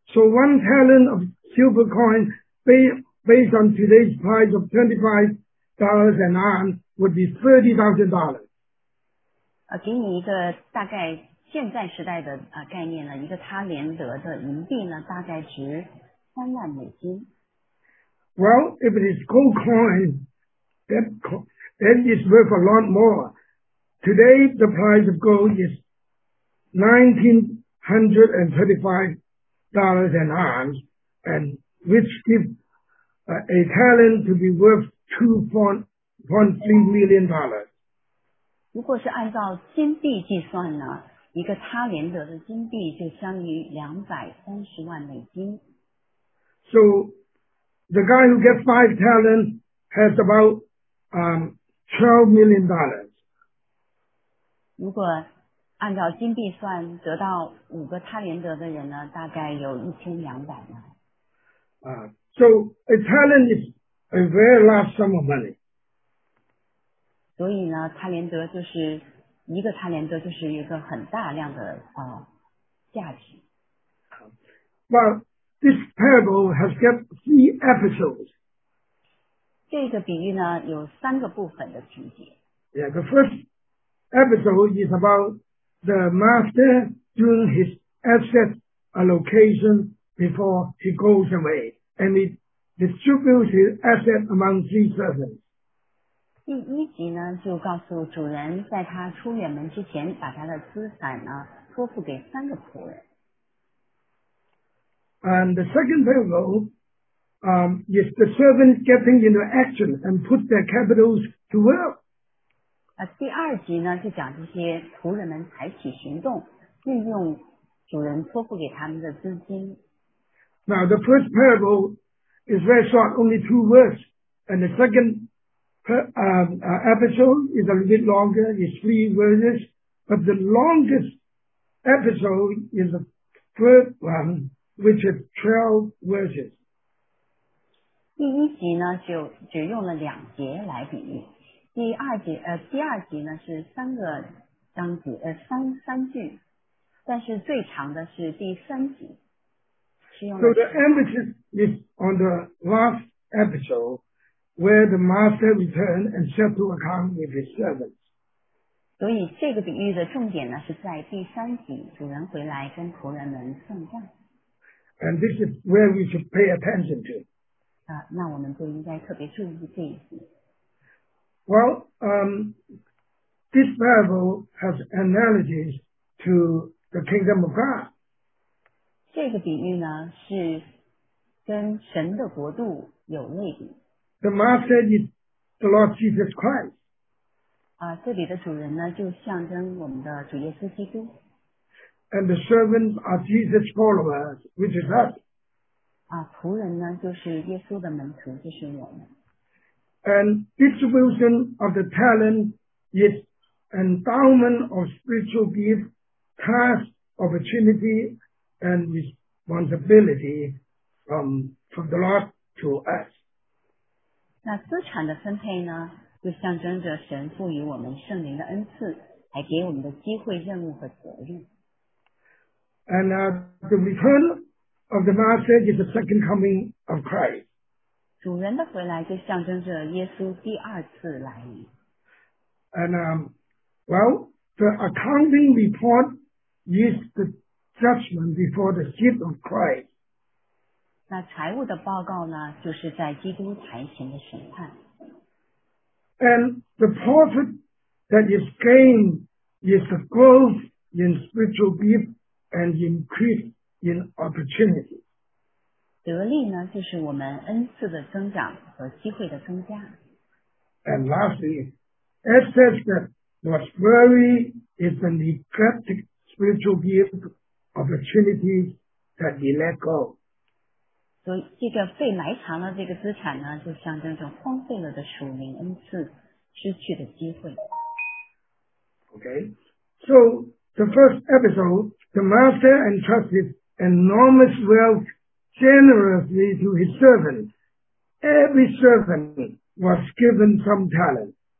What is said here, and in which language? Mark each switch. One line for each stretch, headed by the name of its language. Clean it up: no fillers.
English: So one talent of silver coin based on today's price of $25 and on would be $30,000.
Chinese: 给你一个大概现在时代的概念呢，一个他连德的银币呢，大概值$30,000。
English: Well, if it is gold coin, that is worth a lot more. Today, the price of gold is $1,935 an ounce, and which gives a talent to be worth $2.3 million.
Chinese: 如果是按照金币计算呢，一个他连德的金币就相当于$2,300,000.
English: So the guy who gets 5 talents has about $12 million.
Chinese: 如果按照金币算，得到五个他连德的人呢，大概有$1,200,000.
English: So a talent is a very large sum of money.
Chinese: 所以呢，他连德就是一个他连德就是一个很大量的价值。
English: Well, this parable has got 3 episodes.
Chinese: 这个比喻呢，有三个部分的情节。
English: Yeah, the first episode is about the master doing his asset allocation before he goes away, and he distributes his asset among 3 servants.
Chinese: 第一集呢，就告诉主人在他出远门之前，把他的资产呢，托付给三个仆人。
English: And the second parable is the servants getting into action and put their capitals to work.
Chinese: 第二集呢，就讲这些仆人们采取行动，运用主人托付给他们的资金。
English: Now the first parable is very short, only 2 words. And the second episode is a little bit longer, it's 3 verses. But the longest episode is the third one, which is 12 verses.
Chinese: 第一集呢，就只用了两节来比喻。第二集呢是三个章节，三句，但是最长的是第三集。
English: So the emphasis is on the last episode where the master returned and set to account with his servants.
Chinese: 所以这个比喻的重点呢是在第三集，主人回来跟仆人们算账。
English: And this is where we should pay attention to.
Chinese: 那我们就应该特别注意这一集。
English: Well, this parable has analogies to the kingdom of God.
Chinese: 这个比喻呢是跟神的国度有类比。
English: The master is the Lord Jesus Christ.
Chinese: 啊，这里的主人呢就象征我们的主耶稣基督。
English: And the servants are Jesus' followers, which is us.
Chinese: 啊，仆人呢就是耶稣的门徒，就是我们。
English: And distribution of the talent is endowment of spiritual gift, task, opportunity, and responsibility from the Lord to us.
Chinese: 那资产的分配呢，就象征着神赋予我们圣灵的恩赐，还给我们的机会、任务和责任。
English: And the return of the Master is the second coming of Christ.
Chinese: 主人的回来就象征着耶稣第二次来临。
English: And the accounting report is the judgment before the seat of Christ.
Chinese: 那财务的报告呢，就是在基督台前的审判。
English: And the profit that is gained is the growth in spiritual gift and increase in opportunity.
Chinese: 得利呢，就是我们恩赐的增长和机会的增加。
English: And lastly, it says that what's worry is the neglected spiritual gift opportunities that we let go.
Chinese: 所以这个被埋藏的这个资产呢，就象征着荒废了的属灵恩赐，失去的机会。
English: Okay, so the first episode, the master entrusted enormous wealth. Generously to his servant. Every servant was given some talent.